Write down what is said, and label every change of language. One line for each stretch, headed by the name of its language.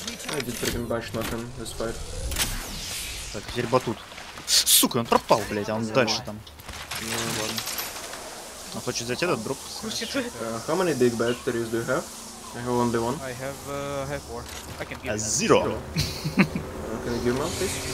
English: I did pretty much nothing this fight.
Russian: Так, теперь батут. Сука, он пропал, блять, а он дальше там. Ну ладно. Он хочет зайти этот дроп?
English: How many big batteries do you have? I have only one. I have, four. I can give them. Zero. Can you give them, please?